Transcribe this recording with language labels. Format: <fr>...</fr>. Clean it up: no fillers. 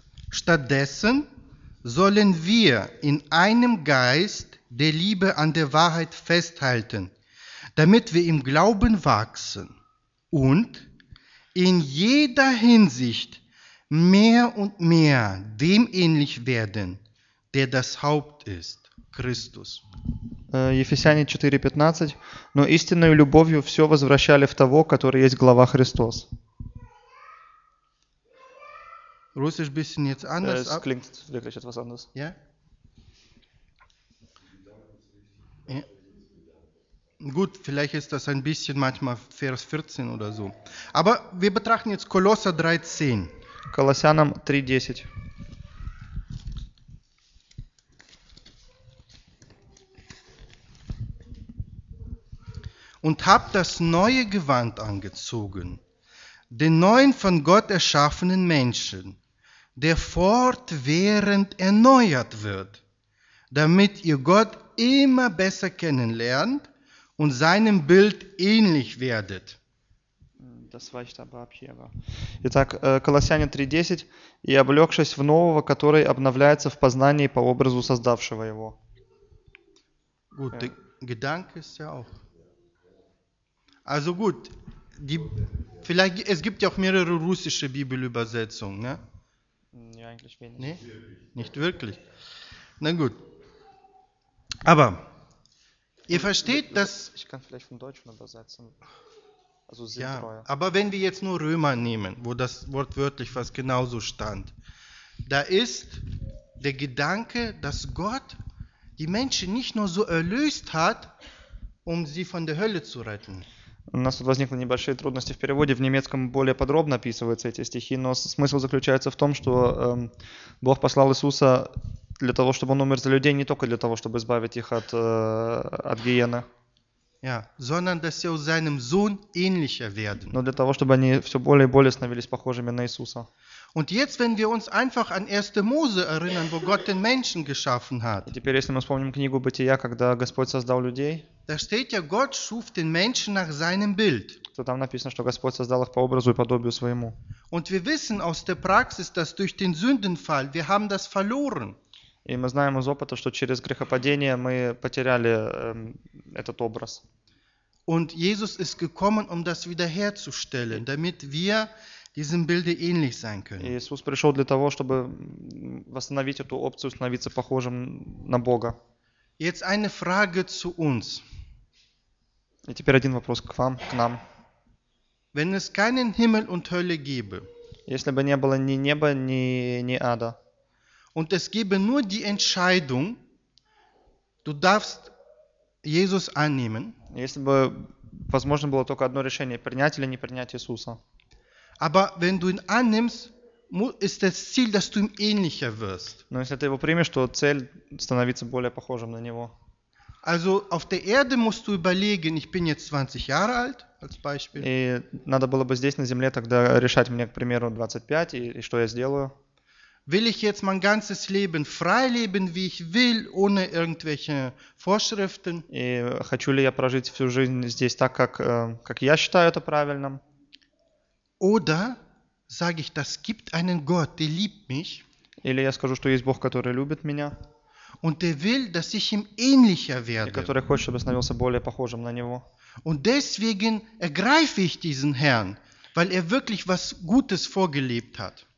<de>Stattdessen sollen wir in einem Geist der Liebe an der Wahrheit festhalten, damit wir im Glauben wachsen und in jeder Hinsicht mehr und mehr dem ähnlich werden, der das Haupt ist, Christus.</de> <ru>Ефесяне 4:15. Но истинною любовью все возвращали в того, который есть глава Христос.</ru> <de>Russisch ein bisschen jetzt anders. Es klingt wirklich etwas anders. Ja? Gut, vielleicht ist das ein bisschen manchmal Vers 14 oder so. Aber wir betrachten jetzt Kolosser 3:10. Kolossianam 3:10. Und habt das neue Gewand angezogen, den neuen von Gott erschaffenen Menschen, der fortwährend erneuert wird, damit ihr Gott immer besser kennenlernt und seinem Bild ähnlich werdet. Das weicht aber ab hier.</de> <ru>Итак, Колоссяне 3:10. «И облегшись в нового, который обновляется в познании по образу создавшего его».</ru> <de>Gut, der Gedanke ist ja auch. Also gut, vielleicht es gibt ja auch mehrere russische Bibelübersetzungen, ne? Ja, eigentlich wenig. Nee? Nicht wirklich. Na gut. Aber ihr versteht das. Ich kann vielleicht vom Deutschen übersetzen. Also ja, aber wenn wir jetzt nur Römer nehmen, wo das wortwörtlich fast genauso stand, da ist der Gedanke, dass Gott die Menschen nicht nur so erlöst hat, um sie von der Hölle zu retten.</de> <ru>У нас тут возникли небольшие трудности в переводе. В немецком более подробно описываются эти стихи, но смысл заключается в том, что Бог послал Иисуса для того, чтобы он умер за людей, не только для того, чтобы избавить их от гиены.</ru> <de>Ja, sondern dass sie aus seinem Sohn ähnlicher werden.</de> <ru>Но для того, чтобы они все более и более становились похожими на Иисуса.</ru> <de>Und jetzt, wenn wir uns einfach an 1. Mose erinnern, wo Gott den Menschen geschaffen hat.</de> <ru>Теперь, если мы вспомним книгу Бытия, когда Господь создал людей.</ru> <de>Da steht ja, Gott schuf den Menschen nach seinem Bild.</de> <ru>То там написано, что Господь создал их по образу и подобию своему.</ru> <de>Und wir wissen aus der Praxis, dass durch den Sündenfall wir haben das verloren.</de> <ru>И мы знаем из опыта, что через грехопадение мы потеряли этот образ.</ru> <de>Und Jesus ist gekommen, um das wiederherzustellen, damit wir diesem Bilde ähnlich sein können.</de> <ru>Иисус пришел для того, чтобы восстановить эту опцию, становиться похожим на Бога.</ru> <de>Jetzt eine Frage zu uns.</de> <ru>И теперь один вопрос к вам, к нам.</ru> <de>Wenn es keinen Himmel und Hölle gäbe.</de> <ru>Если бы не было ни неба, ни ада.</ru> <de>Und es gäbe nur die Entscheidung, du darfst Jesus annehmen.</de> <ru>Если бы возможно было только одно решение, принять или не принять Иисуса.</ru> <de>Aber wenn du ihn annimmst, ist das Ziel, dass du ihm ähnlicher wirst.</de> <ru>Но если ты его примешь, то цель становиться более похожим на него.</ru> <de>Also auf der Erde musst du überlegen, ich bin jetzt 20 Jahre alt, als Beispiel.</de> <ru>И надо было бы здесь на Земле тогда решать мне, к примеру, 25 и что я сделаю.</ru> <de>Will ich jetzt mein ganzes Leben frei leben, wie ich will, ohne irgendwelche Vorschriften?</de> <ru>И хочу ли я прожить всю жизнь здесь так, как я считаю это правильным?</ru> <de>Oder sage ich, das gibt einen Gott, der liebt mich.</de> <ru>Или я скажу, что есть Бог, который любит меня.</ru> <de>Und der will, dass ich ihm ähnlicher werde.</de> <ru>И который хочет, чтобы становился более похожим на него.</ru> <de>Und deswegen ergreife ich diesen Herrn, weil wirklich was Gutes vorgelebt hat.</de>